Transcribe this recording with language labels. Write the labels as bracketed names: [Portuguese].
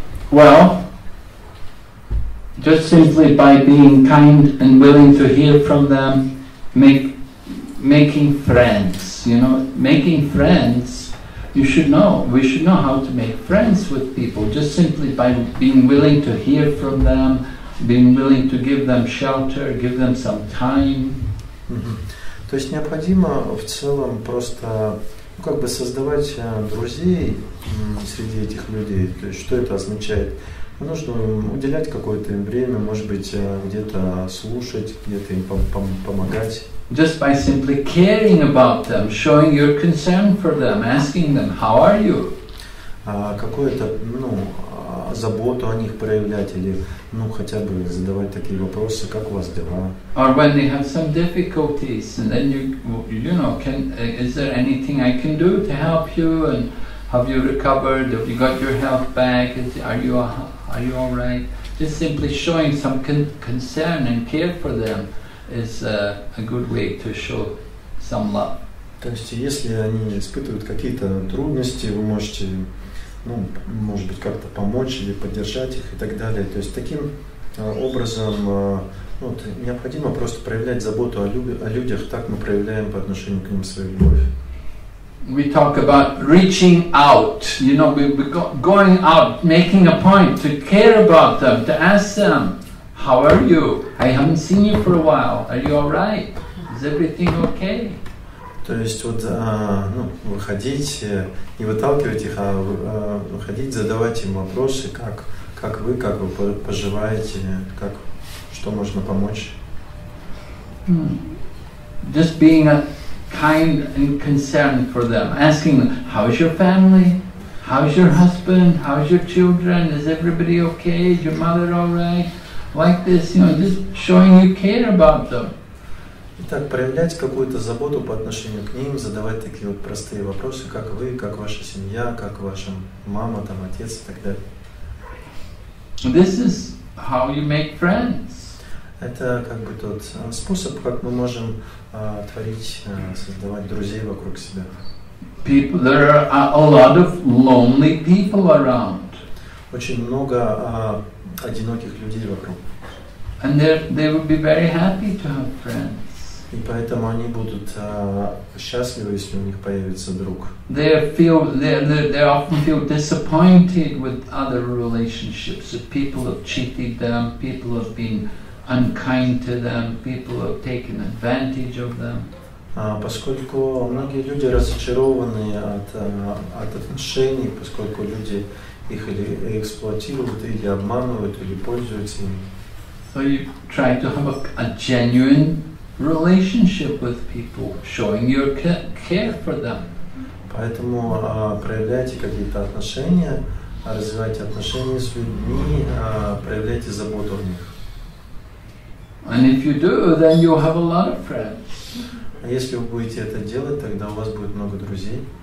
[English] Well, just simply by being kind and willing to hear from them, making friends, you know, making friends, we should know how to make friends with people, just simply by being willing to hear from them, being willing to give them shelter, give them some time. [Russian] То есть необходимо в целом просто как бы создавать друзей среди этих людей. То есть что это означает? Нужно уделять какое-то им время, может быть, где-то слушать, где-то им помогать. [English] Just by simply caring about them, showing your concern for them, asking them, how are you? [Russian] Какую-то, заботу о них проявлять или, хотя бы задавать такие вопросы, как у вас дела? [English] Or when they have some difficulties, and then can, is there anything I can do to help you, and have you recovered, have you got your health back, are you all right? Just simply showing some concern and care for them is a good way to show some love. [Russian] То есть, если они испытывают какие-то трудности, вы можете, может быть, как-то помочь или поддержать их и так далее. То есть таким образом необходимо просто проявлять заботу о людях, так мы проявляем по отношению к ним свою любовь. [English] We talk about reaching out, we're going out, making a point to care about them, to ask them, how are you? I haven't seen you for a while. Are you all right? Is everything okay? [Russian] То есть выходить, не выталкивать их, а выходить, задавать им вопросы, как вы поживаете, что можно помочь. [English] Just being a kind and concerned for them, asking them, how is your family? How's your husband? How's your children? Is everybody okay? Is your mother all right? Like this, you know, just showing you care about them. [Russian] Итак, проявлять какую-то заботу по отношению к ним, задавать такие вот простые вопросы, как вы, как ваша семья, как ваша мама, там, отец и так далее. [English] This is how you make friends. [Russian] Это как бы тот способ, как мы можем творить, создавать друзей вокруг себя. [English] People, there are a lot of lonely people around. [Russian] Очень много одиноких людей вокруг. [English] And they would be very happy to have friends. [Russian] И поэтому они будут счастливы, если у них появится друг. [English] They often feel disappointed with other relationships. So people have cheated them, people have been unkind to them, people have taken advantage of them. [Russian] Поскольку многие люди разочарованы от отношений, поскольку люди их или эксплуатируют, или обманывают, или пользуются ими. [English] So you try to have a genuine relationship with people, showing your care for them. [Russian] Поэтому проявляйте какие-то отношения, развивайте отношения с людьми, проявляйте заботу о них. [English] And if you do, then you'll have a lot of friends. [Russian] А если вы будете это делать, тогда у вас будет много друзей.